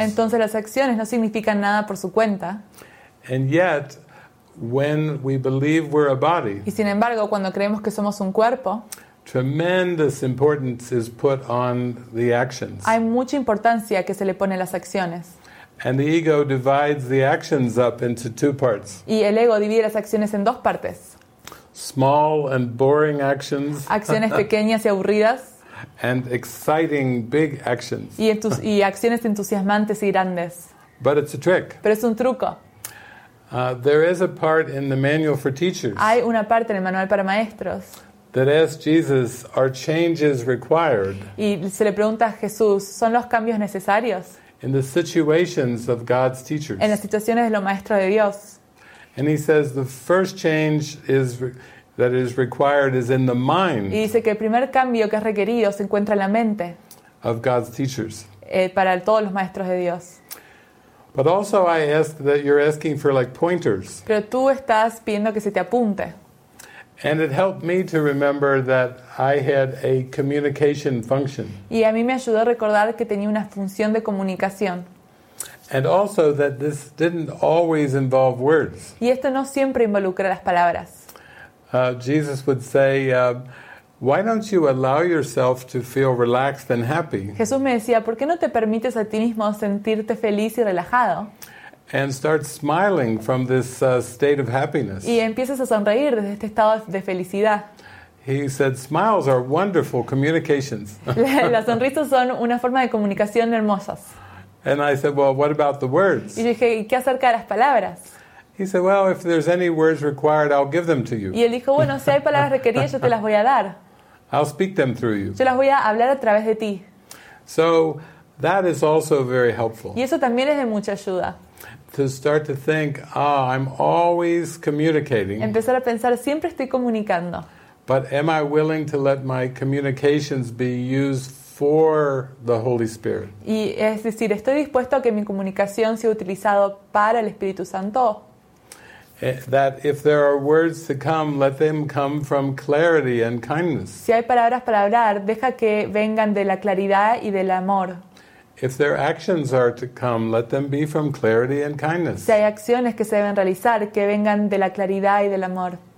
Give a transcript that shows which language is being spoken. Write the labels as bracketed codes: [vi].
[es] Entonces las acciones no significan nada por su cuenta. [en] And yet, when we believe we're a body. [es] Y sin embargo, cuando creemos que somos un cuerpo. [en] Tremendous importance is put on the actions. [es] Hay mucha importancia que se le pone a las acciones. [en] And the ego divides the actions up into two parts. [es] Y el ego divide las acciones en dos partes. [en] Small and boring actions. [es] Acciones pequeñas y aburridas. [en] And exciting big actions. [es] Y acciones entusiasmantes y grandes. [en] But it's a trick. [es] Pero es un truco. [en] There is a part in the manual for teachers. [es] Hay una parte en el manual para maestros. [en] That asks Jesus, "Are changes required?" [es] Y se le pregunta a Jesús, ¿son los cambios necesarios? [en] In the situations of God's teachers. [es] En las situaciones de los maestros de Dios. [en] And he says the first change is that is required is in the mind. [es] Y dice que el primer cambio que es requerido se encuentra en la mente. [en] Of God's teachers. [es] Para todos los maestros de Dios. [en] But also I ask that you're asking for like pointers. [es] Pero tú estás pidiendo que se te apunte. [en] And it helped me to remember that I had a communication function. [es] Y a mí me ayudó a recordar que tenía una función de comunicación. [en] And also that this didn't always involve words. [es] Y esto no siempre involucra las palabras. [en] Jesus would say, why don't you allow yourself to feel relaxed and happy? [es] Jesús me decía, ¿por qué no te permites a ti mismo sentirte feliz y relajado? [en] And start smiling from this state of happiness. [es] Y empiezas a sonreír desde este estado de felicidad. [en] He said, smiles are wonderful communications. [es] Las sonrisas son una forma de comunicación hermosas. [en] And I said, well, what about the words? [es] Y dije, ¿qué acerca de las palabras? [en] He said, well, if there's any words required, I'll give them to you. [es] Y él dijo, bueno, si hay palabras requeridas, yo te las voy a dar. [en] I'll speak them through you. [es] Yo las voy a hablar a través de ti. [en] So that is also very helpful. [es] Y eso también es de mucha ayuda. [en] To start to think, ah, I'm always communicating. [es] Empezar a pensar, siempre estoy comunicando. [en] But am I willing to let my communications be used for the Holy Spirit? [es] Y es decir, ¿estoy dispuesto a que mi comunicación sea utilizado para el Espíritu Santo? [en] That if there are words to come, let them come from clarity and kindness. [es] Si hay palabras para hablar, deja que vengan de la claridad y del amor. [en] If their actions are to come, let them be from clarity and kindness. [es] Si hay acciones que se deben realizar, que vengan de la claridad y del amor.